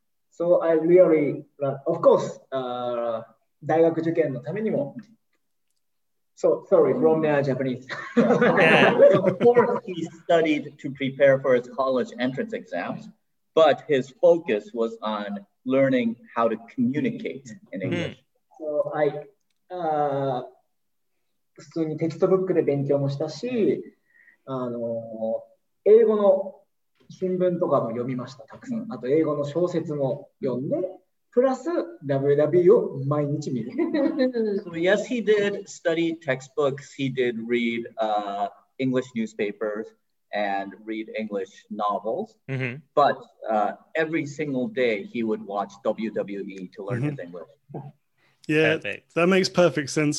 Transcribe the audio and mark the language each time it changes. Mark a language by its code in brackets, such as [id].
[en] So I really, of course, [ja] 大学受験のためにも. [en] So sorry, from the Japanese. Of course, he studied to prepare for his college entrance exams. But his focus was on learning how to communicate in English. So I [ja] 普通にテキストブックで勉強もしたし、あの英語の新聞とかも読みました、たくさん。あと英語の小説も読んで、プラス WWE を毎日見る。 [en] So yes, he did study textbooks, he did read English newspapers and read English novels, but every single day he would watch WWE to learn his English. Yeah, that makes perfect sense.